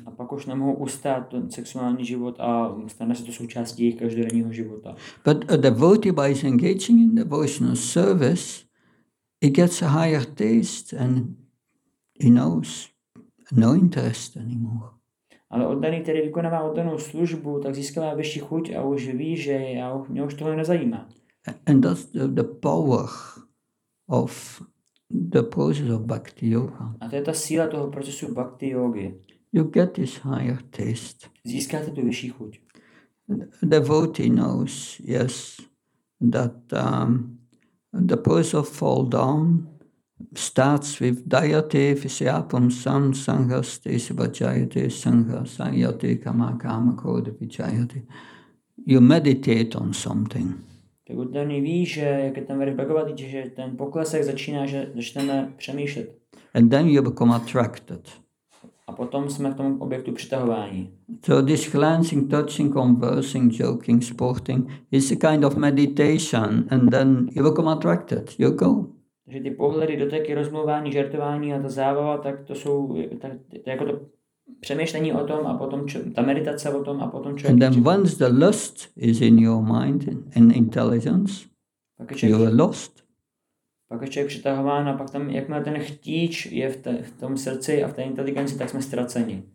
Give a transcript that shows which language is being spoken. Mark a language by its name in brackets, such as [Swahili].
[Czech] A pak už nemohou ustát ten sexuální život a stane se to součástí jejich každodenního života. [English] But a devotee, by engaging in devotional service, he gets a higher taste and he knows no interest anymore. [Czech] Ale oddaný, který vykonává oddanou službu, tak získává vyšší chuť a už ví, že mě už tohle nezajímá. [English] And that's the power of the process of bhakti yoga. [Czech] A to je ta síla toho procesu bhakti yogi. [English] You get this higher taste. [Czech] Získáte tu vyšší chuť. [English] The devotee knows, yes, that the process of fall down starts with [Sanskrit] dayate visyapam sam sanghas tesivajayate sanghas sanyate kama kama kode vijayate. [English] You meditate on something. [Czech] Tak oddaný ví, že jak je ten verš Bhagavad Gita, že ten poklesek začíná, že začneme přemýšlet. [English] And then you become attracted. [Czech] A potom jsme k tomu objektu přitahování. [English] So this glancing, touching, conversing, joking, sporting is a kind of meditation and then you become attracted. You go. [Czech] Takže ty pohledy, doteky, rozmluvání, žertování a ta zábava, tak to jsou to jako to přemýšlení o tom a potom ta meditace o tom a potom člověk. [English] And then once the lust is in your mind and intelligence, you are lost. [Czech] Pak je člověk přitahován a pak tam, jakmile ten chtíč je v tom srdci a v té inteligenci, tak jsme ztraceni.